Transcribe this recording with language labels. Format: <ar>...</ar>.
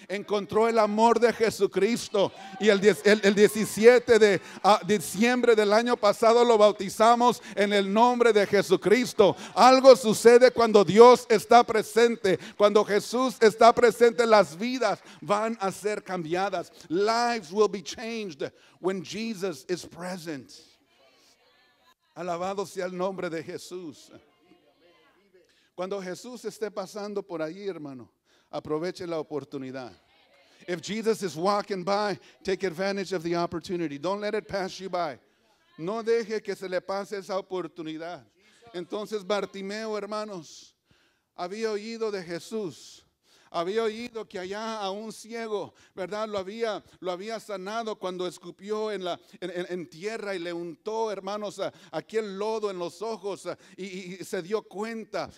<es>Encontró el amor de Jesucristo. Y el 17 de diciembre del año pasado lo bautizamos en el nombre de Jesucristo. Algo sucede cuando Dios está presente. Cuando Jesús está presente, las vidas van a ser cambiadas.</es> <en>Lives will be changed when Jesus is present.</en> <es>Alabado sea el nombre de Jesús. Cuando Jesús esté pasando por ahí, hermano, aproveche la oportunidad.</es> <en>If Jesus is walking by, take advantage of the opportunity. Don't let it pass you by.</en> <es>No deje que se le pase esa oportunidad. Entonces Bartimeo, hermanos, había oído de Jesús. había oído que allá a un ciego, ¿verdad?, lo había sanado cuando escupió en tierra y le untó, hermanos, aquel lodo en los ojos, y se dio cuenta.</es>